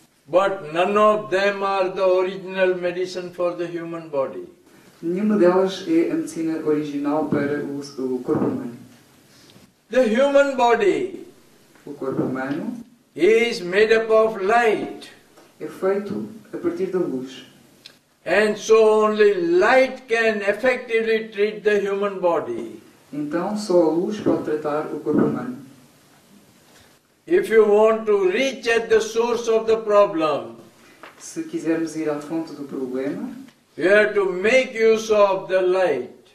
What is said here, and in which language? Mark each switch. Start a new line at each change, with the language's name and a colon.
English: But none of them are the original medicine for the human body.
Portuguese: Nenhuma delas é a medicina original para o corpo humano.
English: The human body,
Portuguese: o corpo humano,
English: is made up of light.
Portuguese: É feito a partir da luz.
English: And so only light can effectively treat the human body.
Portuguese: Então só a luz pode tratar o corpo humano.
English: If you want to reach at the source of the problem,
Portuguese: se quisermos ir à fonte do problema,
English: we have to make use of the light.